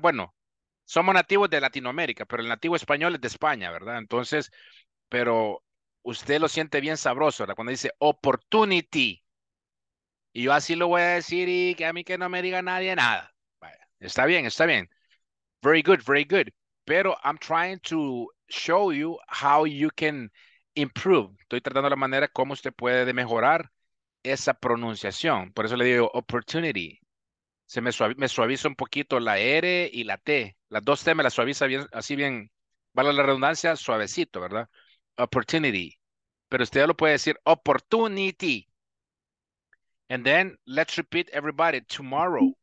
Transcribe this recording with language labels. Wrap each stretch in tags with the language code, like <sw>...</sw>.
<es>Bueno, somos nativos de Latinoamérica, pero el nativo español es de España, ¿verdad? Entonces, pero usted lo siente bien sabroso, ¿verdad? Cuando dice opportunity. Y yo así lo voy a decir y que a mí que no me diga nadie nada. Vaya, está bien, está bien.</es> <en>Very good, very good. Pero I'm trying to show you how you can improve.</en> <es>Estoy tratando la manera como usted puede mejorar esa pronunciación. Por eso le digo opportunity. Se me suaviza un poquito la R y la T. Las dos T me las suaviza bien, así bien. Vale la redundancia, suavecito, ¿verdad? Opportunity. Pero usted ya lo puede decir</es> <en>opportunity. And then let's repeat everybody tomorrow.</en>